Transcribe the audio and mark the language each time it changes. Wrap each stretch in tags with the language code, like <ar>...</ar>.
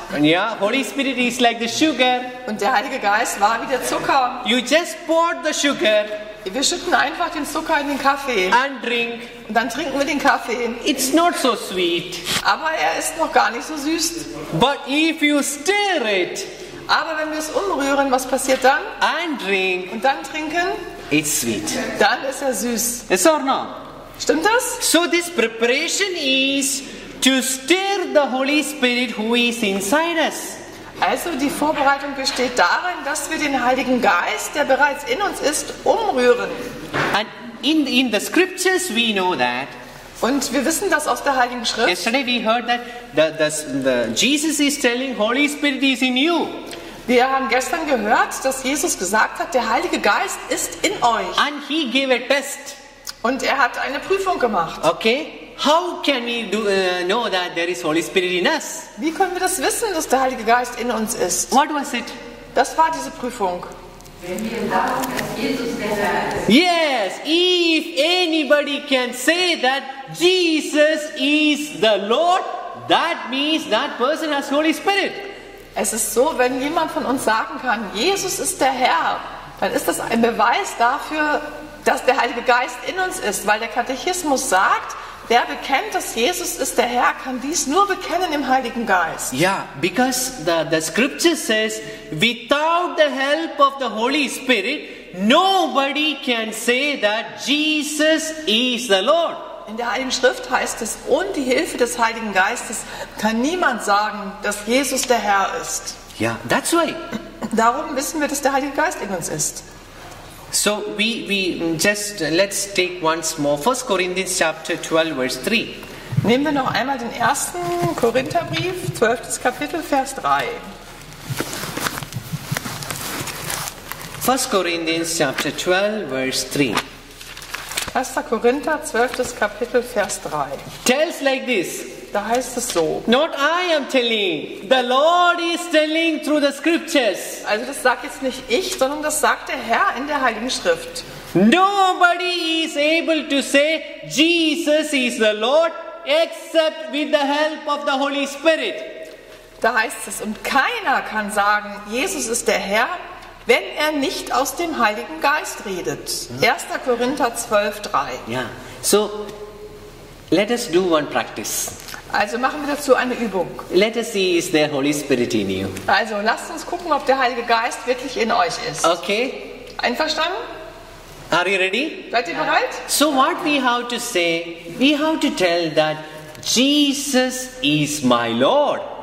<en>And yeah, Holy Spirit is like the sugar.</en> <de>Und der Heilige Geist war wie der Zucker.</de> <en>You just poured the sugar.</en> <de>Wir schütten einfach den Zucker in den Kaffee.</de> <en>And drink.</en> <de>Und dann trinken wir den Kaffee.</de> <en>It's not so sweet.</en> <de>Aber er ist noch gar nicht so süß.</de> <en>But if you stir it.</en> <de>Aber wenn wir es umrühren, was passiert dann?</de> <en>And drink.</en> <de>Und dann trinken.</de> <en>It's sweet.</en> <de>Dann ist er süß.</de> <en>Yes or no?</en> <de>Stimmt das?</de> <en>So this preparation is to stir the Holy Spirit who is inside us.</en> <de>Also die Vorbereitung besteht darin, dass wir den Heiligen Geist, der bereits in uns ist, umrühren.</de> <en>And in the scriptures we know that.</en> <de>Und wir wissen das aus der Heiligen Schrift.</de> <en>Yesterday we heard that the Jesus is telling Holy Spirit is in you.</en> <de>Wir haben gestern gehört, dass Jesus gesagt hat, der Heilige Geist ist in euch.</de> <en>And he gave a test.</en> <de>Und er hat eine Prüfung gemacht.</de> <en>Okay. How can we know that there is Holy Spirit in us?</en> <de>Wie können wir das wissen, dass der Heilige Geist in uns ist?</de> <en>What was it?</en> <de>Das war diese Prüfung.</de> <en>Yes, if anybody can say that Jesus is the Lord, that means that person has Holy Spirit.</en> <de>Es ist so, wenn jemand von uns sagen kann, Jesus ist der Herr, dann ist das ein Beweis dafür, dass der Heilige Geist in uns ist, weil der Katechismus sagt, wer bekennt, dass Jesus ist der Herr, kann dies nur bekennen im Heiligen Geist.</de> <en>Ja, yeah, because the scripture says, without the help of the Holy Spirit, nobody can say that Jesus is the Lord.</en> <de>In der Heiligen Schrift heißt es, ohne die Hilfe des Heiligen Geistes kann niemand sagen, dass Jesus der Herr ist.</de> <en>Ja, yeah, that's why.</en> <de>Darum wissen wir, dass der Heilige Geist in uns ist.</de> <en>So we just let's take once more 1 Corinthians chapter 12 verse 3.</en> <de>Nehmen wir noch einmal den ersten Korintherbrief, 12. Kapitel, Vers 3.</de> <en>1 Corinthians chapter 12 verse 3.</en> <de>1. Korinther 12. Kapitel Vers 3.</de> <en>Tells like this.</en> <de>Da heißt es so.</de> <en>Not I am telling. The Lord is telling through the scriptures.</en> <de>Also das sagt jetzt nicht ich, sondern das sagt der Herr in der Heiligen Schrift.</de> <en>Nobody is able to say Jesus is the Lord except with the help of the Holy Spirit.</en> <de>Da heißt es, und keiner kann sagen, Jesus ist der Herr, wenn er nicht aus dem Heiligen Geist redet. 1. Korinther 12, 3.</de> <en>Ja, yeah. So, let us do one practice.</en> <de>Also machen wir dazu eine Übung.</de> <en>Let us see, is there Holy Spirit in you?</en> <de>Also lasst uns gucken, ob der Heilige Geist wirklich in euch ist.</de> <en>Okay.</en> <de>Einverstanden?</de> <en>Are you ready?</en> <de>Seid ihr bereit?</de> <en>So what we have to say, we have to tell that Jesus is my Lord.</en>